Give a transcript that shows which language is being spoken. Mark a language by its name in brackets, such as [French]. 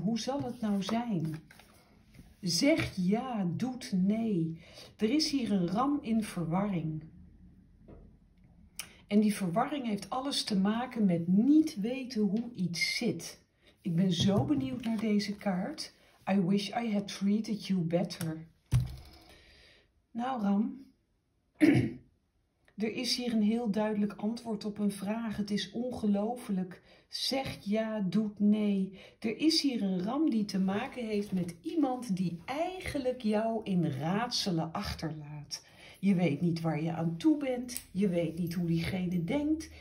[Dutch] Hoe zal het nou zijn? Zeg ja, doet nee. Er is hier een ram in verwarring. En die verwarring heeft alles te maken met niet weten hoe iets zit. Ik ben zo benieuwd naar deze kaart. [English] I wish I had treated you better. [Dutch] Nou, ram. Er is hier een heel duidelijk antwoord op een vraag. Het is ongelooflijk. Zeg ja, doet nee. Er is hier een ram die te maken heeft met iemand die eigenlijk jou in raadselen achterlaat. Je weet niet waar je aan toe bent. Je weet niet hoe diegene denkt.